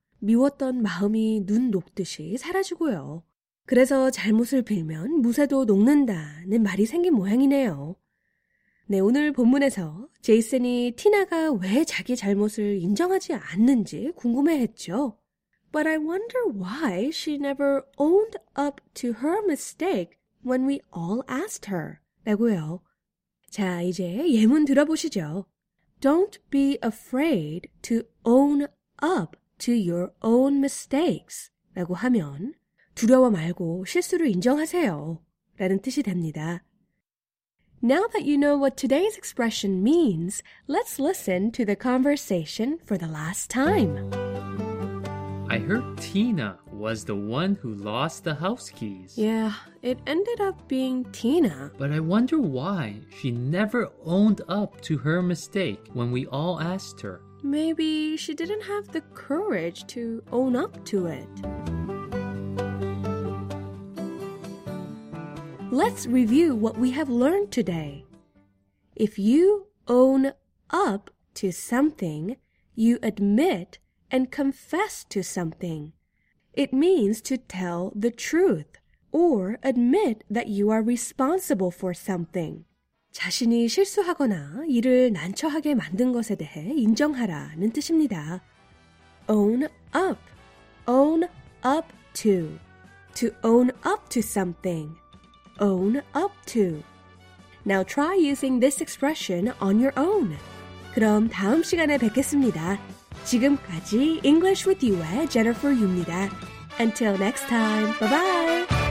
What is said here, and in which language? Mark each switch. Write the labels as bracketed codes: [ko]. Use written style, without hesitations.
[ko] 미웠던 마음이 눈 녹듯이 사라지고요. 그래서 잘못을 빌면 무쇠도 녹는다는 말이 생긴 모양이네요. 네, 오늘 본문에서 제이슨이 티나가 왜 자기 잘못을 인정하지 않는지 궁금해했죠. [en] But I wonder why she never owned up to her mistake when we all asked her. [ko] 라고요. 자, 이제 예문 들어보시죠. [en] Don't be afraid to own up to your own mistakes. [ko] 라고 하면 두려워 말고 실수를 인정하세요. 라는 뜻이 됩니다. [en] Now that you know what today's expression means, let's listen to the conversation for the last time. I heard Tina was the one who lost the house keys. Yeah, it ended up being Tina. But I wonder why she never owned up to her mistake when we all asked her. Maybe she didn't have the courage to own up to it. Let's review what we have learned today. If you own up to something, you admit and confess to something. It means to tell the truth or admit that you are responsible for something. [ko] 자신이 실수하거나 일을 난처하게 만든 것에 대해 인정하라는 뜻입니다. [en] Own up to own up to something. Own up to. Now try using this expression on your own. [ko] 그럼 다음 시간에 뵙겠습니다. 지금까지 English with You의 Jennifer Yu입니다. [en] Until next time, bye-bye!